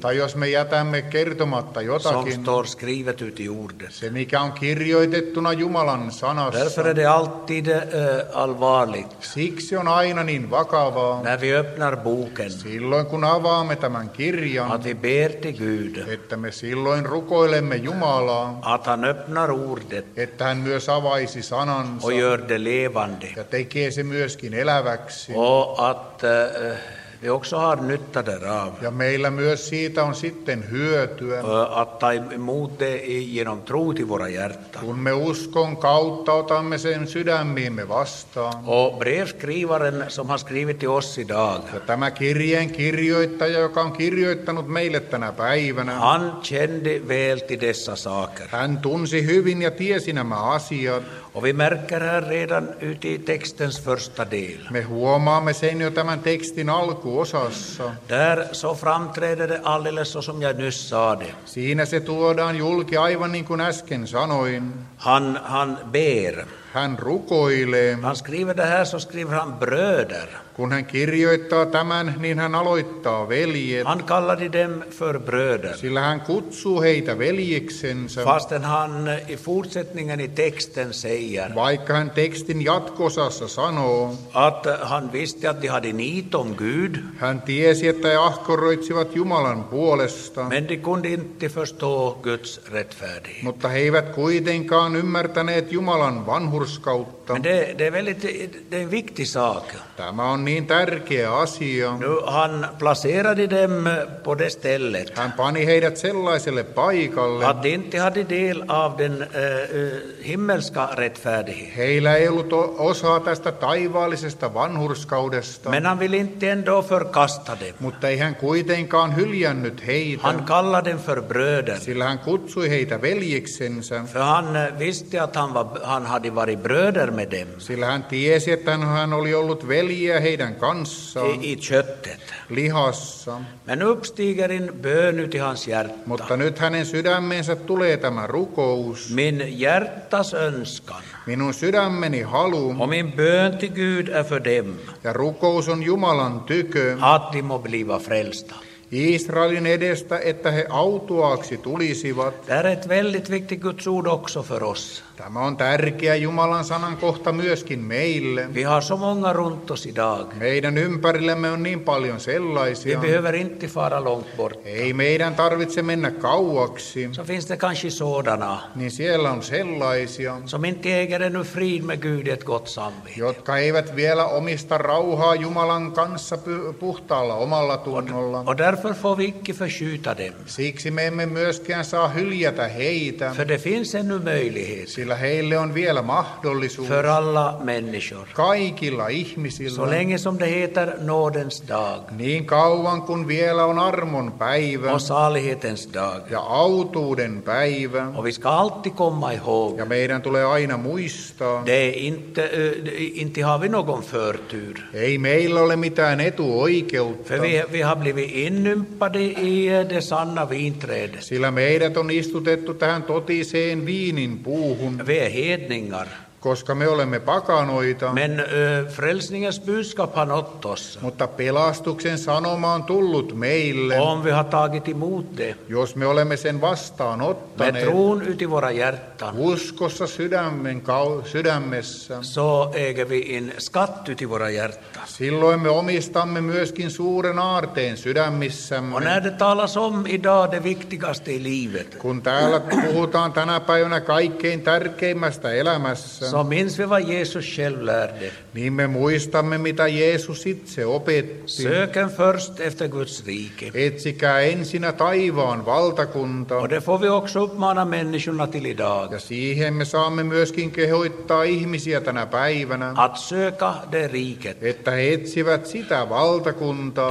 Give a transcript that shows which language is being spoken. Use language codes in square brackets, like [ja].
[fi] Tai jos me jätämme kertomatta jotakin. [sv] Som står skrivet ut i ordet. [fi] Se mikä on kirjoitettuna Jumalan sanassa. [sv] Därför är det alltid allvarligt. [fi] Siksi on aina niin vakavaa. [sv] När vi öppnar boken. [fi] Silloin kun avaamme tämän kirjan. [sv] Att vi ber till Gud. [fi] Että me silloin rukoilemme Jumalaa. [sv] Att han öppnar ordet. [fi] Että hän myös avaisi sanansa. [sv] Och gör det levande. [fi] Ja tekee se myöskin eläväksi. [sv] Och att vi också har nytta därav. [fi] Ja meillä myös siitä on sitten hyötyä. [sv] Att emot genom tro till våra hjärtan. [fi] Kun me uskon kautta otamme sen sydämiimme vastaan. [sv] Och brevskrivaren som har skrivit till oss idag. [fi] Ja tämä kirjeen kirjoittaja, joka on kirjoittanut meille tänä päivänä. [sv] Han kände väl till dessa saker. [fi] Hän tunsi hyvin ja tiesi nämä asiat. [sv] Och vi märker här redan ute i textens första del. [fi] Me huomaamme sen jo tämän textin alkuosassa. [sv] Där så framträder det alldeles så som jag nyss sade. [fi] Siinä se tuodaan julki aivan niin kuin äsken sanoin. [sv] Han ber. [fi] Hän rukoilee. [sv] Han skriver det här så skriver han bröder. [fi] Kun hän kirjoittaa tämän, niin hän aloittaa veljet. [sv] Han kallade dem för bröder. [fi] Sillä hän kutsuu heitä veljeksensä. [sv] Fasten han i fortsättningen i texten säger. [fi] Vaikka hän tekstin jatkosassa sanoo. [sv] Att han visste att de hade nit om Gud. [fi] Hän tiesi, että he ahkoroitsivat Jumalan puolesta. [sv] Men de kunde inte förstå Guds rättfärdighet. [fi] Mutta he eivät kuitenkaan ymmärtäneet Jumalan vanhurskautta. [sv] Men det är väldigt, det är en viktig sak. [fi] Tämä on niin tärkeä asia. [sv] Nu han placerade dem på det stället. [fi] Hän pani heidät sellaiselle paikalle. [sv] Att de inte hade del av den himmelska rättfärdighet. [fi] Heillä ei ollut osaa tästä taivaallisesta vanhurskaudesta. [sv] Men han vill inte ändå förkasta dem. [fi] Mutta ei hän kuitenkaan hyljännyt heitä. [sv] Han kallade dem för bröder. [fi] Sillä hän kutsui heitä veljiksensä. [sv] För han visste att han hade varit bröder. [fi] Sillä hän tiesi, että hän oli ollut veljiä heidän kanssaan. [sv] I köttet. [fi] Lihassa. [sv] Men uppstigerin bönut i hans hjärta. [fi] Mutta nyt hänen sydämeensä tulee tämä rukous. [sv] Min hjärtas önskan. [fi] Minun sydämeni halu. [sv] Och min bön till Gud är för dem. [fi] Ja rukous on Jumalan tykö. [sv] Att de må bliva frälsta. [fi] Israelin edestä, että he autuaaksi tulisivat. [sv] Det är ett väldigt viktigt Guds ord också för oss. [fi] Tämä on tärkeä Jumalan sanan kohta myöskin meille. [sv] Vi har så många runt oss idag. [fi] Meidän ympärillemme on niin paljon sellaisia. [sv] Vi behöver inte fara långt bort. [fi] Ei meidän tarvitse mennä kauaksi. [sv] Så finns det kanske sådana. [fi] Niin siellä on sellaisia. [sv] Som inte äger ännu frid med Gud i ett gott samvete. [fi] Jotka eivät vielä omista rauhaa Jumalan kanssa puhtaalla omalla tunnolla. [sv] Och därför får vi icke förskjuta dem. [fi] Siksi me emme myöskään saa hyljätä heitä. [sv] För det finns ännu möjlighet. [fi] Sillä heille on vielä mahdollisuus. [sv] För alla människor. [fi] Kaikilla ihmisillä. [sv] Så länge som det heter nådens dag. [fi] Niin kauan kun vielä on armon päivä. [sv] Och salighetens dag. [fi] Ja autuuden päivä. [sv] Och vi ska alltid komma ihåg. [fi] Ja meidän tulee aina muistaa. [sv] Det är inte har vi någon förtur. [fi] Ei meillä ole mitään etuoikeutta. [sv] För vi har blivit inympade i det sanna vinträdet. [fi] Sillä meidät on istutettu tähän totiseen viinin puuhun. [sv] Vi är hedningar. [fi] Koska me olemme pakanoita. [sv] Men frälsningens budskap har nått oss. [fi] Mutta pelastuksen sanoma on tullut meille. [sv] Om vi har tagit emot det. [fi] Jos me olemme sen vastaanottaneet. [sv] Med tron ut i våra hjärtan. [fi] Uskossa sydämessä. [sv] Så äger vi en skatt ut i våra hjärtan. [fi] Silloin me omistamme myöskin suuren aarteen sydämissämme. [sv] Och när det talas om idag det viktigaste i livet. [fi] Kun täällä puhutaan tänä päivänä kaikkein tärkeimmästä elämässä. [sv] Så minns vi vad Jesus själv lärde. [fi] Niin me muistamme, mitä Jeesus itse opetti. [sv] Söken först efter Guds rike. [fi] Etsikää ensinä taivaan valtakunta. [sv] Och det får vi också uppmana människorna till idag. [fi] Ja siihen me saamme myöskin kehoittaa ihmisiä tänä päivänä. [sv] Att söka det riket. [fi] Että he etsivät sitä valtakuntaa.